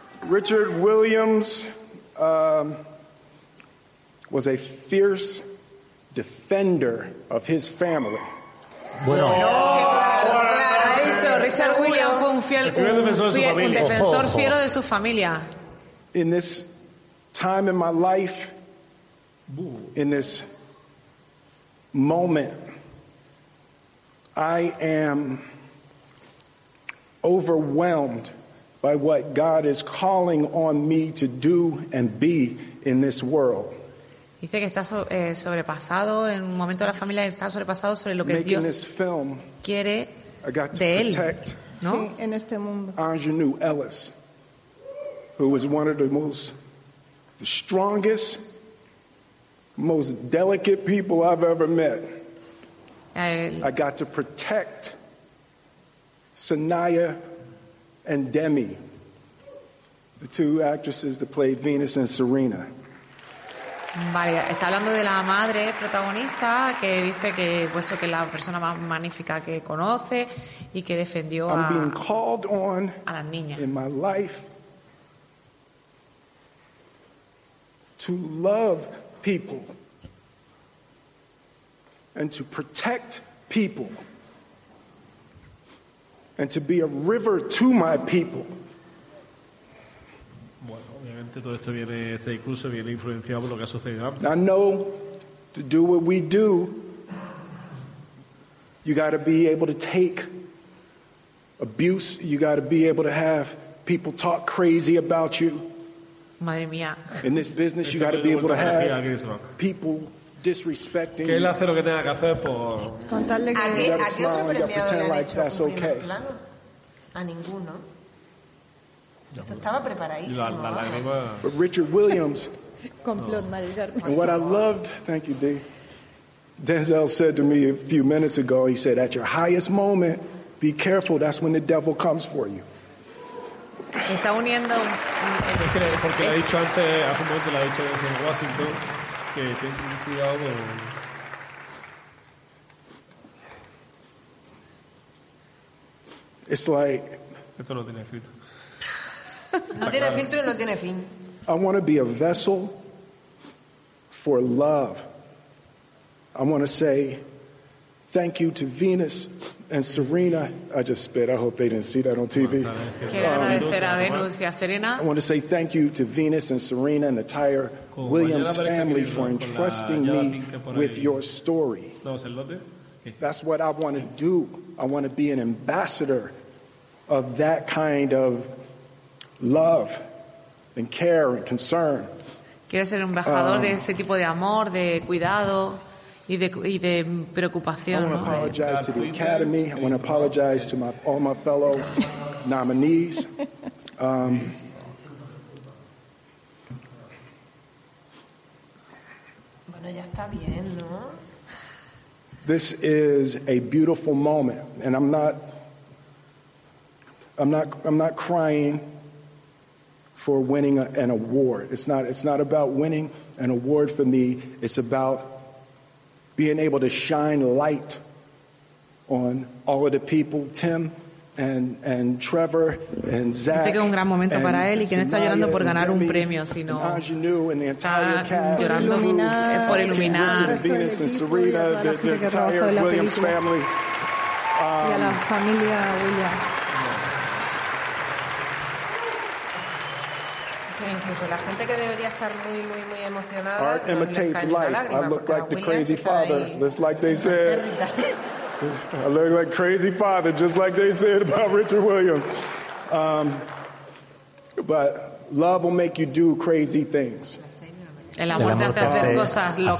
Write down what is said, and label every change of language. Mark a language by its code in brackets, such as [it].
[en] Richard Williams... was a fierce defender of his family. [es] Bueno, Richard Williams fue un defensor fiero de su familia. [en] In this time in my life, in this moment, I am overwhelmed by what God is calling on me to do and be in this world. [es] Dice que está sobrepasado en un momento de la familia, está sobrepasado sobre lo que Dios [en] film, [es] quiere de él, ¿no? Sí, en este mundo. [en] Ingenue Ellis, who was one of the most the strongest, most delicate people I've ever met. I got to protect Sanaa and Demi, the two actresses that played Venus and Serena. [es] Vale, está hablando de la madre protagonista, que dice que pues que es la persona más magnífica que conoce y que defendió a las niñas. [en] In my life to love people and to protect people and to be a river to my people. [es] Todo esto viene, este discurso viene influenciado por lo que ha sucedido. [en] I know to do what we do, you got to be able to take abuse, you got to be able to have people talk crazy about you. [es] Madre mía. [en] In this business, you got to be able to have people disrespecting. [es] Que él hace lo que tenga que hacer por. Con tal de que aquí otro premiado le ha dicho [en] that's okay. [es] A ninguno. Esto estaba preparadísimo. [en] But Richard Williams. [es] Complot, no. [en] And what I loved, thank you, Dee. Denzel said to me a few minutes ago, he said, at your highest moment, be careful, that's when the devil comes for you. [es] Está uniendo. Porque ha dicho antes, hace un momento lo ha dicho en Washington, que tiene cuidado. [en] It's like. [es] Esto lo tiene escrito. No tiene filtro y no tiene fin. [en] I want to be a vessel for love. I want to say Thank you to Venus and Serena. I just spit. I hope they didn't see that on TV. I want to say thank you to Venus and Serena and the entire Williams family for entrusting me with your story. That's what I want to do. I want to be an ambassador of that kind of love and care and concern. [es] Quiero ser un embajador de ese tipo de amor, de cuidado y de preocupación. [en] I want to apologize to the Academy. I want to apologize to all my fellow nominees. [es] Bueno, ya está bien, ¿no? [en] This is a beautiful moment, and I'm not crying for winning an award. It's not about winning an award for me. It's about being able to shine light on all of the people, Tim and Trevor and Zach. [es] Es un gran momento para él y que no está llorando por ganar un premio, sino está llorando por iluminar [en] Venus and Serena, the entire Williams family. [es] Y a la familia Williams. Incluso la gente que debería estar muy, muy, muy emocionada. [en] Art imitates life. I look like the crazy father, just like they said. I look like crazy father, just like they said about Richard Williams. But love will make you do crazy things. [es] El amor te hace hacer cosas locas.